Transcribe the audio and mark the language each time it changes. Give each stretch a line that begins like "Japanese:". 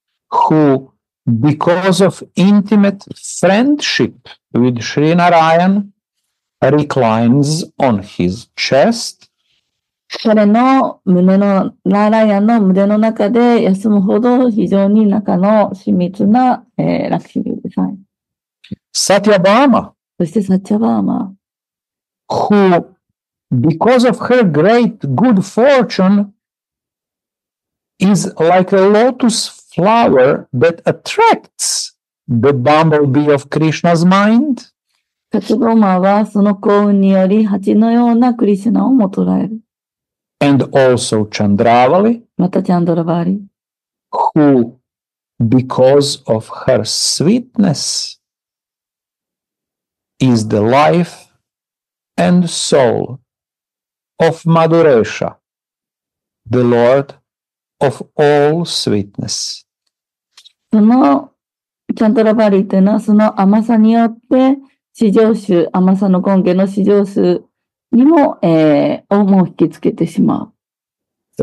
English: who because of intimate friendship with Sri Narayan reclines on his chest.
Japanese: 彼の胸のナーライアンの胸の中で休むほど非常に仲の親密な、ラクシュミです。
English: Satya Bhama,
Japanese: そしてサチャバーマ
English: who because of her great good fortune,is like a lotus flower that attracts the bumblebee of Krishna's mind.
Japanese: サチャバーマはその幸運により蜂のようなクリシュナをもとらえる。
English: And also Chandravali,
Japanese: またチャンドラバリ
English: who, because of her sweetness, is the life and soul of Madhuresha, the Lord. Of all sweetness.
Japanese: そのチャントラバリというのはその甘さによって至上主甘さの根源の至上主にも、を引きつけてしまう。